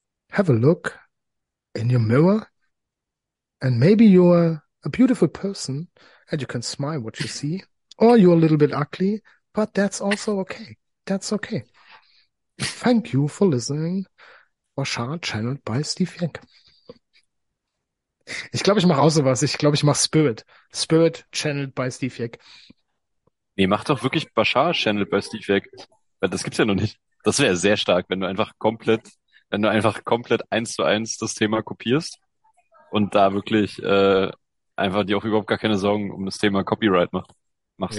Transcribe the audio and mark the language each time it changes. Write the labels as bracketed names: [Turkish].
[English] Have a look in your mirror. And maybe you're a beautiful person and you can smile what you see, or you're a little bit ugly, but that's also okay. That's okay. Thank you for listening. Washa channeled by Steve Jenk. [German] Ich glaube, ich mache auch sowas. Ich glaube, ich mache Spirit. [English] Spirit channeled by Steve Jenk. [German] Nee, mach doch wirklich Bashar-Channel bei Steve Jack. Weil das gibt's ja noch nicht. Das wäre sehr stark, wenn du einfach komplett 1:1 das Thema kopierst und da wirklich einfach dir auch überhaupt gar keine Sorgen um das Thema Copyright machst.